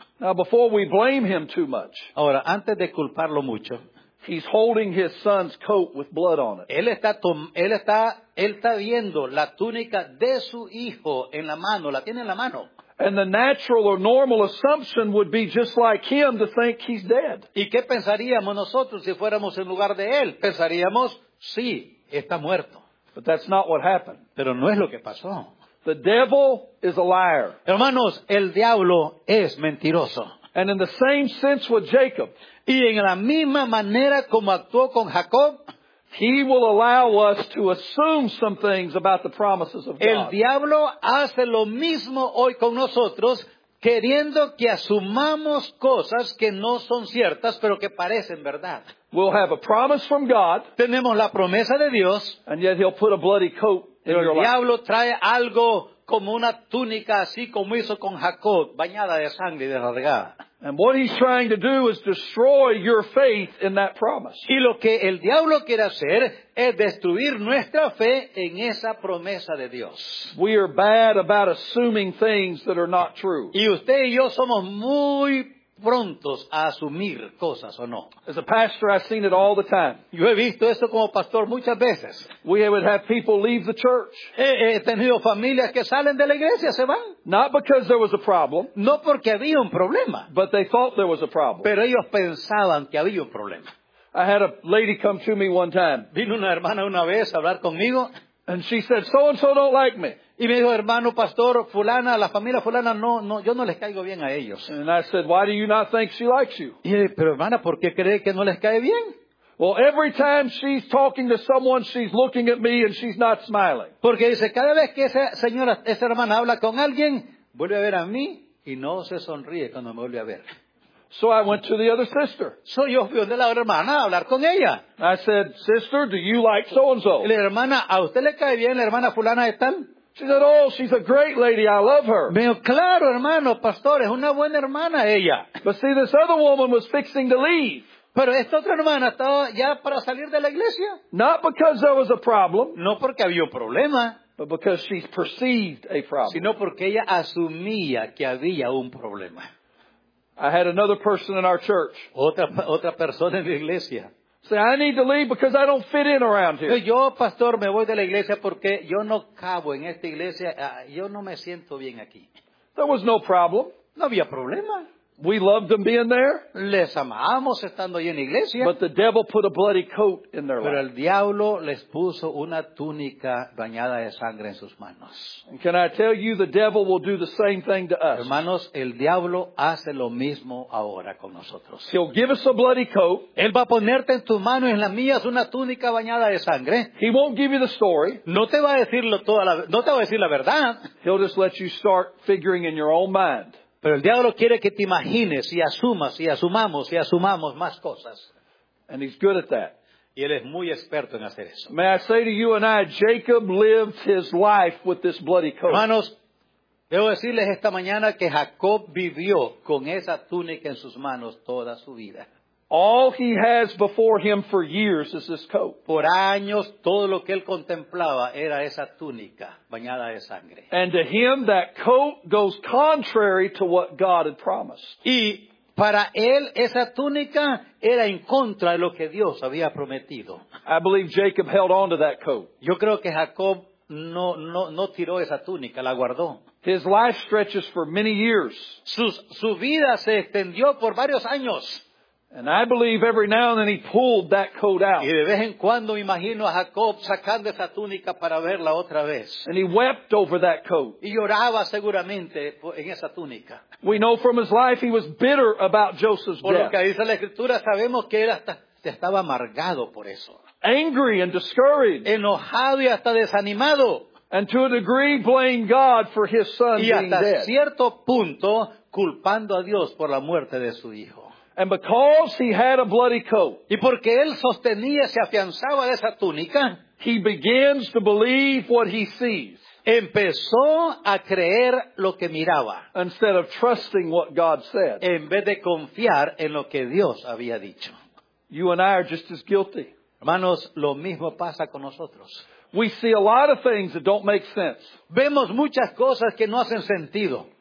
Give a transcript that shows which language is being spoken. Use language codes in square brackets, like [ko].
[en] Now, before we blame him too much. [es] Ahora, antes de culparlo mucho. [en] He's holding his son's coat with blood on it. [es] Él está viendo la túnica de su hijo en la mano, la tiene en la mano. [en] And the natural or normal assumption would be just like him to think he's dead. [es] ¿Y qué pensaríamos nosotros si fuéramos en lugar de él? Pensaríamos, sí, está muerto. [en] But that's not what happened. [es] Pero no es lo que pasó. [en] The devil is a liar. [es] Hermanos, el diablo es mentiroso. [en] And in the same sense with Jacob, [es] y en la misma manera como actuó con Jacob, [en] he will allow us to assume some things about the promises of God. [es] El diablo hace lo mismo hoy con nosotros, queriendo que asumamos cosas que no son ciertas, pero que parecen verdad. [en] We'll have a promise from God. [es] Tenemos la promesa de Dios. [en] And yet he'll put a bloody coat in your life. [es] El diablo trae algo como una túnica, así como hizo con Jacob, bañada de sangre y de rasgada. [en] And what he's trying to do is destroy your faith in that promise. [es] Y lo que el diablo quiere hacer es destruir nuestra fe en esa promesa de Dios. [en] We are bad about assuming things that are not true. [es] Y usted y yo somos muy prontos a asumir cosas o no. [en] As a pastor, I've seen it all the time. [es] Yo he visto esto como pastor muchas veces. [en] We would have people leave the church. [es] He tenido familias que salen de la iglesia, se van. [en] Not because there was a problem. [es] No porque había un problema. [en] But they thought there was a problem. [es] Pero ellos pensaban que había un problema. [en] I had a lady come to me one time. [es] Vino una hermana una vez a hablar conmigo. [en] And she said, "So and so don't like me." [es] Y me dijo, hermano, pastor, fulana, la familia fulana, no, yo no les caigo bien a ellos. [en] And I said, "Why do you not think she likes you?" [es] Y dije, pero hermana, ¿por qué cree que no les cae bien? [en] Well, every time she's talking to someone, she's looking at me and she's not smiling. [es] Porque dice, cada vez que esa hermana habla con alguien, vuelve a ver a mí y no se sonríe cuando me vuelve a ver. [en] So I went to the other sister. [es] So yo fui donde la hermana a hablar con ella. [en] I said, "Sister, do you like so and so?" [es] La hermana, ¿a usted le cae bien la hermana fulana de tal? [en] She said, "Oh, she's a great lady. I love her." [es] Me dijo, claro, hermano, pastor, es una buena hermana ella. [en] But see, this other woman was fixing to leave. [es] Pero esta otra hermana estaba ya para salir de la iglesia. [en] Not because there was a problem. [es] No porque había un problema. [en] But because she perceived a problem. [es] Sino porque ella asumía que había un problema. [en] I had another person in our church. [es] Otra persona en la iglesia. [en] Say, "I need to leave because I don't fit in around here." [es] Yo, pastor, me voy de la iglesia porque yo no cabo en esta iglesia. Yo no me siento bien aquí. [en] There was no problem. [es] No había problema. [en] We loved them being there. [es] Les amamos estando ahí en la iglesia. [en] But the devil put a bloody coat in their life. [es] Pero el diablo les puso una túnica bañada de sangre en sus manos. [en] And can I tell you, the devil will do the same thing to us. [es] Hermanos, el diablo hace lo mismo ahora con nosotros. [en] He'll give us a bloody coat. [es] Él va a ponerte en tus manos, en las mías, una túnica bañada de sangre. [en] He won't give you the story. [es] No te va a decir no te va a decir la verdad. [en] He'll just let you start figuring in your own mind. [es] Pero el diablo quiere que te imagines y asumas y asumamos más cosas. [en] And he's good at that. [es] Y él es muy experto en hacer eso. [en] May I say to you and I, Jacob lived his life with this bloody coat. [es] Hermanos, debo decirles esta mañana que Jacob vivió con esa túnica en sus manos toda su vida. [en] All he has before him for years is this coat. [es] Por años, todo lo que él contemplaba era esa túnica bañada de sangre. [en] And to him, that coat goes contrary to what God had promised. [es] Y para él, esa túnica era en contra de lo que Dios había prometido. [en] I believe Jacob held on to that coat. [es] Yo creo que Jacob no tiró esa túnica, la guardó. [en] His life stretches for many years. [es] Su vida se extendió por varios años. [en] And I believe every now and then he pulled that coat out. [es] Y de vez en cuando imagino a Jacob sacando esa túnica para verla otra vez. [en] And he wept over that coat. [es] Y lloraba seguramente en esa túnica. [en] We know from his life he was bitter about Joseph's death. [es] Por lo que dice la Escritura sabemos que él hasta estaba amargado por eso. [en] Angry and discouraged. [es] Enojado y hasta desanimado. [en] And to a degree blamed God for his son being dead. [es] Y hasta cierto punto culpando a Dios por la muerte de su hijo. [en] And because he had a bloody coat, [es] y porque él sostenía, se afianzaba de esa túnica, [en] he begins to believe what he sees. [es] Empezó a creer lo que miraba. [en] Instead of trusting what God said. [es] En vez de confiar en lo que Dios había dicho. [en] You and I are just as guilty. [es] Hermanos, lo mismo pasa con nosotros. [en] We see a lot of things that don't make sense. [es] Vemos muchas cosas que no hacen sentido.